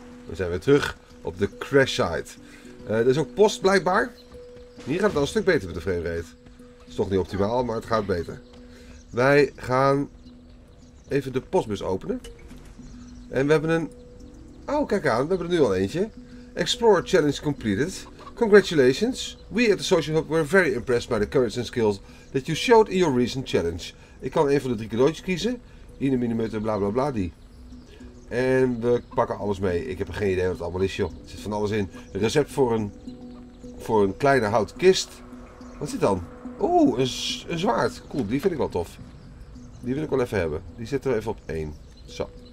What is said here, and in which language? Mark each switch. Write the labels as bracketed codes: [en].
[nl] We zijn weer terug op de crash site. Er is ook post blijkbaar. Hier gaat het al een stuk beter met de frame rate. Is toch niet optimaal, maar het gaat beter. Wij gaan even de postbus openen. En we hebben een... Oh, kijk aan. We hebben er nu al eentje. [en] Explorer challenge completed. Congratulations. We at the Social Hub were very impressed by the courage and skills that you showed in your recent challenge. [nl] Ik kan een van de drie cadeautjes kiezen. In de millimeter, bla bla bla, die. En we pakken alles mee. Ik heb geen idee wat het allemaal is, joh. Er zit van alles in. Een recept voor een kleine houten kist. Wat zit dan? Oeh, een zwaard. Cool, die vind ik wel tof. Die wil ik wel even hebben. Die zetten we even op 1. Zo.